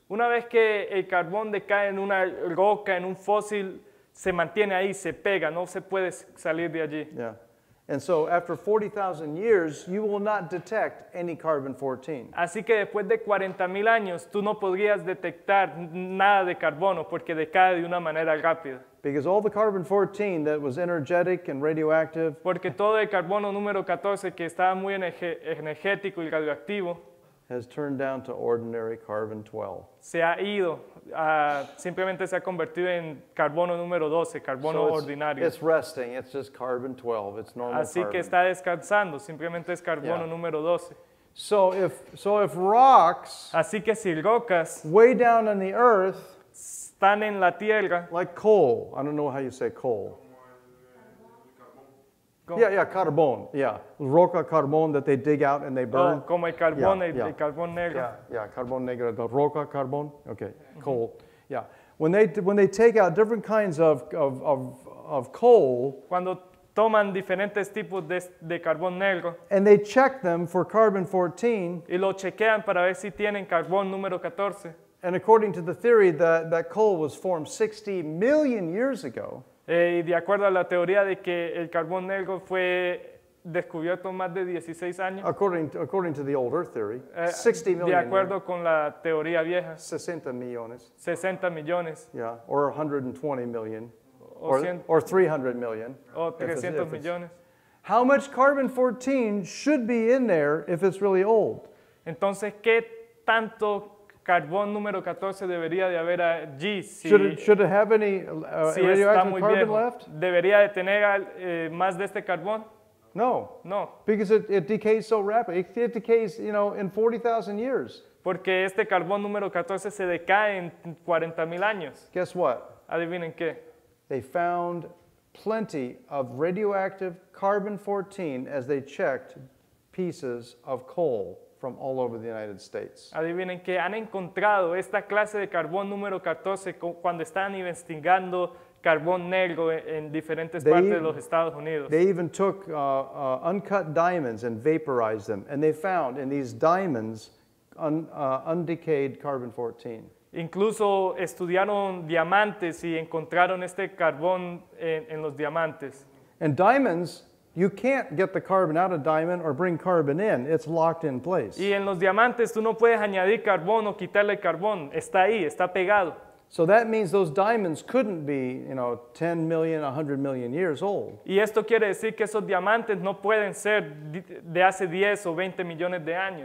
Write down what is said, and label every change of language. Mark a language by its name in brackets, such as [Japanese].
[Spanish] Una vez que el carbón decae en una roca, en un fósil, se mantiene ahí, se pega, no se puede salir de allí. [English] Yeah. And so after 40,000 years, you will not detect any carbon 14. [Spanish] Así que después de 40,000 años, tú no podrías detectar nada de carbono porque decae de una manera rápida. [English] Because all the carbon 14 that was energetic and radioactive. [Spanish] Porque todo el carbono número 14 que estaba muy energético y radioactivo. [English] Has turned down to ordinary carbon 12. [Spanish] Se ha ido. Simplemente se ha convertido en carbono número 12, carbono ordinario. [English] It's resting. It's just carbon 12. It's normal. [Spanish] Así [English] carbon. [Spanish] Que está descansando. Simplemente es carbono número 12. [English] So if rocks. [Spanish] Así que si rocas. [English] Way down in the earth. [Spanish] Están en la tierra. [English] Like coal. I don't know how you say coal. [Spanish] Yeah, carbón. [English] Yeah, [Spanish] roca carbón [English] that they dig out and they burn. [Spanish] Como el carbón, el carbón negro. [English] Yeah, [Spanish] carbón negro, [English] the [Spanish] roca carbón. [English] Okay, mm-hmm. Coal. Yeah, when they take out different kinds of coal. [Spanish] Cuando toman diferentes tipos de carbón negro. [English] And they check them for carbon 14. [Spanish] Y lo chequean para ver si tienen carbón número 14. [English] And according to the theory that coal was formed 60 million years ago. [Spanish] Y de acuerdo a la teoría de que el carbón negro fue descubierto más de 16 años. [English] According to the old Earth theory, 60 million. [Spanish] De acuerdo con la teoría vieja. 60 millones. 60 millones. [English] Yeah, or 120 million. Or 300 million. [Spanish] O 300 millones. [English] How much carbon 14 should be in there if it's really old? [Spanish] Entonces, ¿qué tanto carbón número 14 debería de haber allí si, [English] should it have any [Spanish] si está muy [English] carbon [Spanish] viejo, [English] left? [Spanish] ¿Debería de tener más de este carbón? [English] No. [Spanish] No. [English] Because it decays so rapidly. It decays, you know, in 40,000 years. [Spanish] Porque este carbón número 14 se decae en 40,000 años. [English] Guess what? [Spanish] Adivinen qué. [English] They found plenty of radioactive carbon 14 as they checked pieces of coal from all over the United States. [Spanish] Adivinen qué, han encontrado esta clase de carbón número 14 cuando están investigando carbón negro en diferentes partes de los Estados Unidos. [English] They even took uncut diamonds and vaporized them, and they found in these diamonds undecayed carbon 14. [Spanish] Incluso estudiaron diamantes y encontraron este carbón en los diamantes. [English] And diamonds, you can't get the carbon out of diamond or bring carbon in. It's locked in place. [Spanish] Y en los diamantes tú no puedes añadir carbón o quitarle el carbón. Está ahí, está pegado. [English] So that means those diamonds couldn't be, you know, 10 million, 100 million years old. [Spanish] Y esto quiere decir que esos diamantes no pueden ser de hace 10 o 20 millones de años.